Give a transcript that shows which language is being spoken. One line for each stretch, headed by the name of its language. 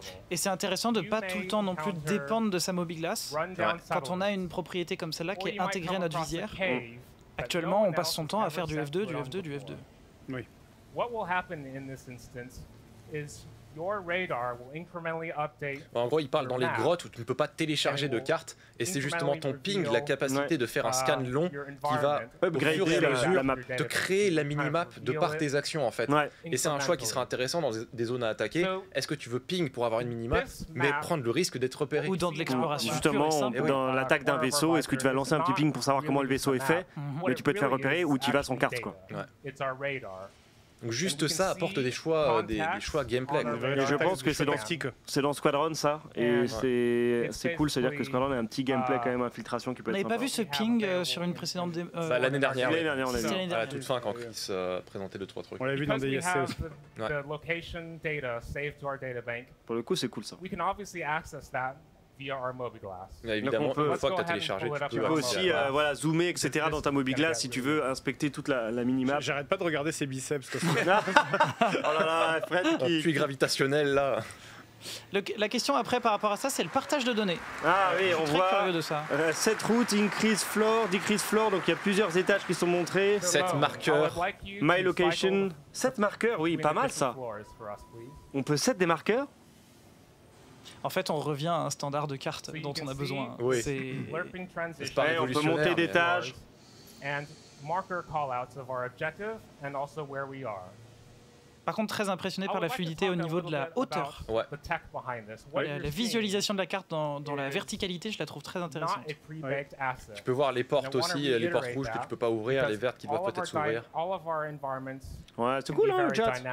French: Et c'est intéressant de ne pas tout le temps non plus dépendre de sa mobiglas. Quand on a une propriété comme celle-là qui est intégrée à notre visière, actuellement, on passe son temps à faire du F2, du F2, du F2. Oui.
English: What will happen in this instance is your radar will incrementally update.
French: En gros, il parle dans les grottes où tu ne peux pas télécharger de cartes, et c'est justement ton ping, la capacité de faire un scan long, qui va upgrade au fur et à mesure te créer la mini-map de par tes actions en fait. Ouais. Et c'est un choix qui sera intéressant dans des zones à attaquer. Est-ce que tu veux ping pour avoir une mini-map, mais prendre le risque d'être repéré ou dans de l'exploration? Justement, dans l'attaque d'un vaisseau, est-ce que tu vas lancer un petit ping pour savoir comment le vaisseau est fait, mais tu peux te faire repérer, ou tu vas sans carte quoi.
English: It's our radar.
French: Donc juste ça apporte des choix, des choix gameplay. Et je pense que c'est dans Squadron ça, et c'est cool, c'est-à-dire que Squadron a un petit gameplay quand même, infiltration qui peut être sympa. On n'avait pas vu ce ping sur une précédente L'année dernière. L'année dernière, à la toute fin quand Chris présentait 2-3 trucs. On l'a vu dans des DLC aussi.
English: The location data saved to our databank.
French: Pour le coup, c'est cool ça.
English: We can obviously access that via our MobiGlass.
French: Évidemment, une fois que tu as téléchargé, tu peux aussi voilà, zoomer, etc. dans ta MobiGlass si tu veux inspecter toute la minimap. J'arrête pas de regarder ses biceps. Oh là là, Fred, qui puits gravitationnel là. La question après par rapport à ça, c'est le partage de données. Ah oui, je suis on très voit. Curieux de ça.
English: Set route, increase floor, decrease floor.
French: Donc il y a plusieurs étages qui sont montrés. Set marqueur,
English: my location.
French: Set marqueur, oui, pas mal ça. On peut set des marqueurs. En fait, on revient à un standard de carte dont on a besoin. Oui. C'est pas on peut monter des tâches.
English: And marker callouts of our objective and also where we are.
French: Par contre, très impressionné par la fluidité au niveau de la hauteur. Ouais. La visualisation de la carte dans la verticalité, je la trouve très intéressante. Ouais. Tu peux voir les portes aussi, les portes rouges que tu peux pas ouvrir, les vertes qui doivent peut-être s'ouvrir. Ouais, c'est cool, hein, le chat.